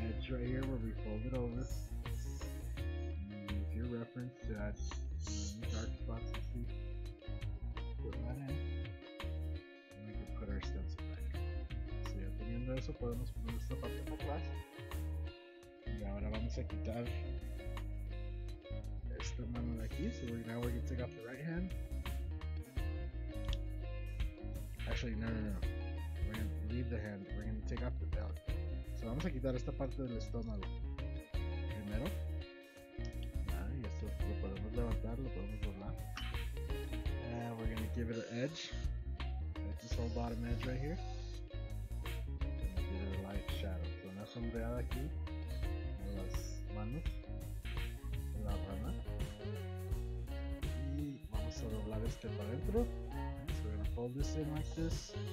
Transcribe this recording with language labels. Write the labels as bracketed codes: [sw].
[en] Right here where we fold it over, and use your reference to add any dark spots to see. Put that in, and we can put our stencil back. [es] So, ya teniendo eso, podemos poner esta parte un poco más. Y ahora vamos a quitar esta mano de aquí. [en] So, now we're going to take off the right hand. Actually, no. We're going to leave the hand, we're going to take off the belt. [es] So vamos a quitar esta parte del estómago primero. Ah, y esto lo podemos levantar, lo podemos doblar. [en] And we're gonna give it an edge. It's this whole bottom edge right here. And give it a light shadow. [es] So una sombreada aquí en las manos de la rana. Y vamos a doblar este para adentro. [en] So we're gonna fold this in like this.